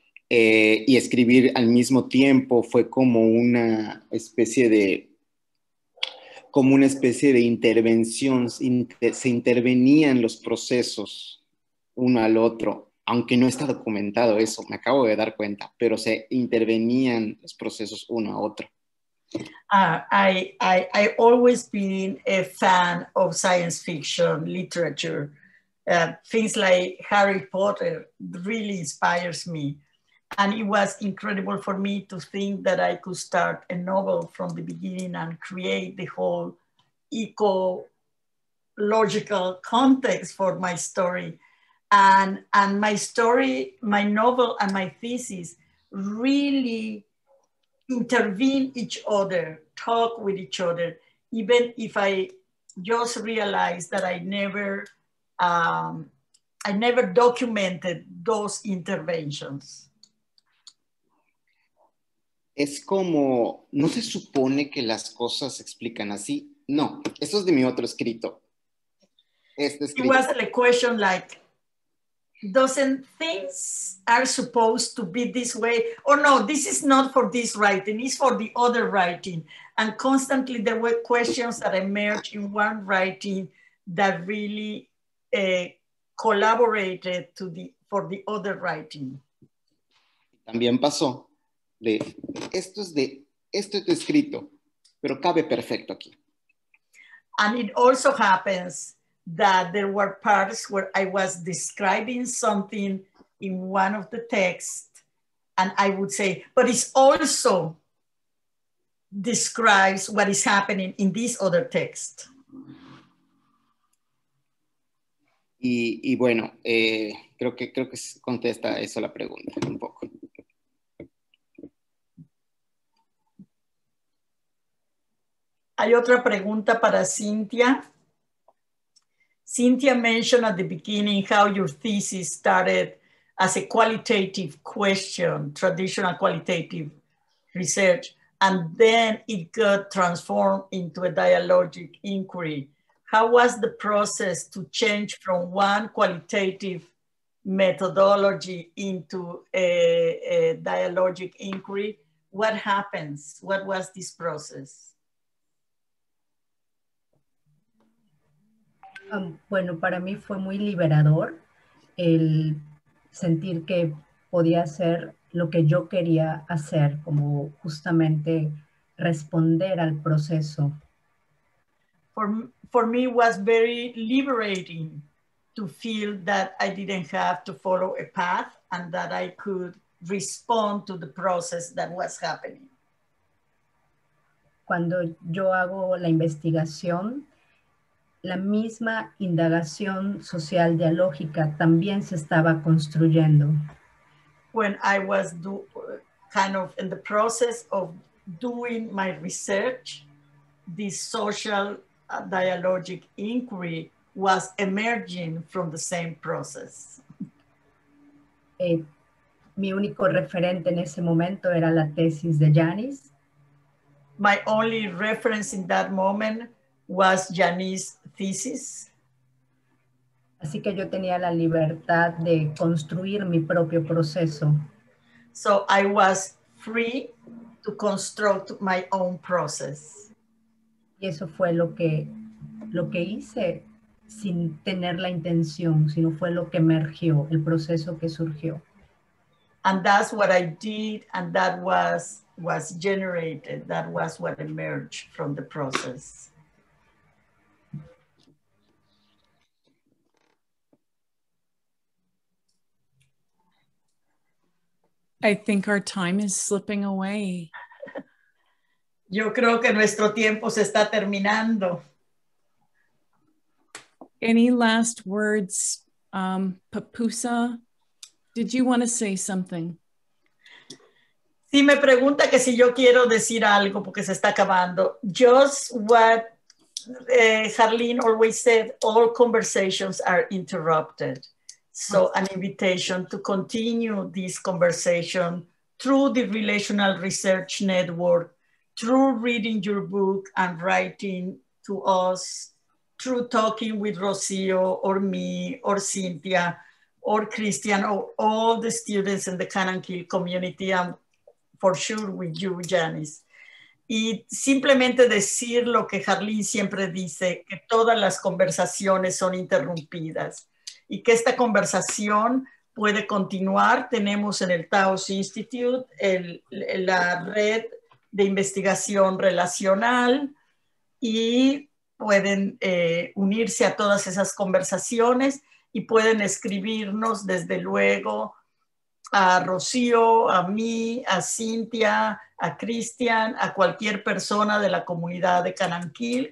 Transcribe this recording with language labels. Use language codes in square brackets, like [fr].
[es] Y escribir al mismo tiempo fue como una especie de, intervención, se intervenían los procesos uno al otro, aunque no está documentado eso, me acabo de dar cuenta, pero se intervenían los procesos uno a otro. [en] I always been a fan of science fiction literature. Things like Harry Potter really inspires me. And it was incredible for me to think that I could start a novel from the beginning and create the whole ecological context for my story. And my story, my novel and my thesis really intervene each other, talk with each other, even if I just realized that I never documented those interventions. [es] Es como, ¿no se supone que las cosas se explican así? No, eso es de mi otro escrito. [en] It was a question like, doesn't things are supposed to be this way, or no, this is not for this writing, it's for the other writing. And constantly there were questions that emerged in one writing that really collaborated to the for the other writing. [es] También pasó de esto es de esto es escrito, pero cabe perfecto aquí. [en] And it also happens that there were parts where I was describing something in one of the texts, and I would say, but it also describes what is happening in this other text. [es] Y bueno, creo que contesta eso la pregunta un poco. Hay otra pregunta para Cynthia. [en] Cynthia mentioned at the beginning how your thesis started as a qualitative question, traditional qualitative research, and then it got transformed into a dialogic inquiry. How was the process to change from one qualitative methodology into a dialogic inquiry? What happens? What was this process? [es] Bueno, para mí fue muy liberador el sentir que podía hacer lo que yo quería hacer, como justamente responder al proceso. [en] For me it was very liberating to feel that I didn't have to follow a path and that I could respond to the process that was happening. [es] Cuando yo hago la investigación, la misma indagación social dialógica también se estaba construyendo. [en] When I was kind of in the process of doing my research, this social dialogic inquiry was emerging from the same process. [es] Mi único referente en ese momento era la tesis de Janice. [en] My only reference in that moment was Janice's thesis. [es] Así que yo tenía la libertad de construir mi propio proceso. [en] So I was free to construct my own process. [es] Y eso fue lo que hice sin tener la intención, sino fue lo que emergió, el proceso que surgió. [en] And that's what I did, and that was generated, that was what emerged from the process. I think our time is slipping away. [es] Yo creo que nuestro tiempo se está terminando. [en] Any last words, Papusa? Did you want to say something? [es] Si me pregunta que si yo quiero decir algo porque se está acabando. [en] Just what Harlene always said, all conversations are interrupted. So an invitation to continue this conversation through the Relational Research Network, through reading your book and writing to us, through talking with Rocío or me or Cynthia or Christian or all the students in the Kanankil community, and for sure with you, Janice. [es] Y simplemente decir lo que Harlene siempre dice, que todas las conversaciones son interrumpidas. Y que esta conversación puede continuar. Tenemos en el Taos Institute la red de investigación relacional y pueden unirse a todas esas conversaciones y pueden escribirnos desde luego a Rocío, a mí, a Cynthia, a Cristian, a cualquier persona de la comunidad de Kanankil.